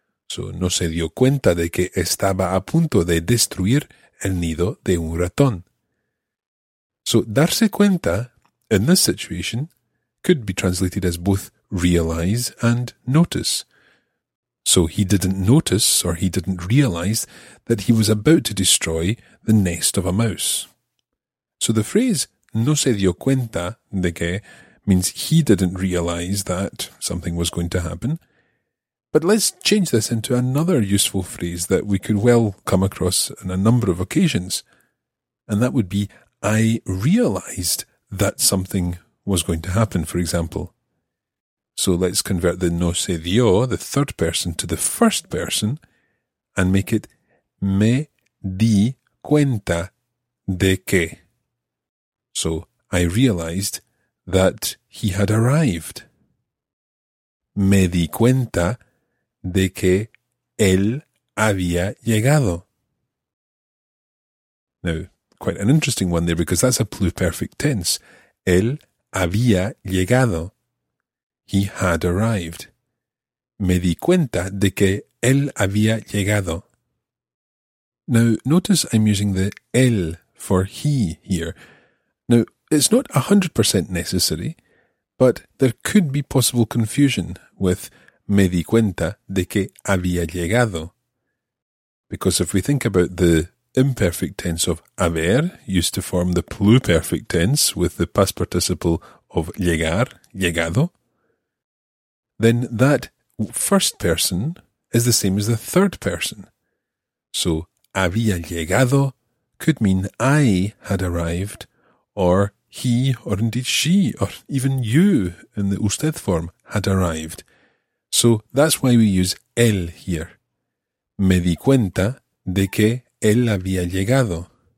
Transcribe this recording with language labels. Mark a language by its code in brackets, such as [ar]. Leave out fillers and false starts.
[es] So, no se dio cuenta de que estaba a punto de destruir el nido de un ratón. [en] So, darse cuenta, in this situation, could be translated as both realize and notice. So, he didn't notice or he didn't realize that he was about to destroy the nest of a mouse. So, the phrase [es] no se dio cuenta de que [en] means he didn't realize that something was going to happen. But let's change this into another useful phrase that we could well come across on a number of occasions. And that would be, I realized that something was going to happen, for example. So let's convert the [es] no se dio, [en] the third person, to the first person and make it [es] me di cuenta de que. [en] also I realized that he had arrived. [es] Me di cuenta de que él había llegado. [en] Now, quite an interesting one there, because that's a pluperfect tense. [es] Él había llegado. [en] He had arrived. [es] Me di cuenta de que él había llegado. [en] Now, notice I'm using the él for he here. Now, it's not 100% necessary, but there could be possible confusion with [es] me di cuenta de que había llegado. [en] Because if we think about the imperfect tense of haber, used to form the pluperfect tense with the past participle of llegar, llegado, then that first person is the same as the third person. So, [es] había llegado [en] could mean I had arrived, or he, or indeed she, or even you, in the usted form, had arrived. So that's why we use él here. [es] Me di cuenta de que él había llegado.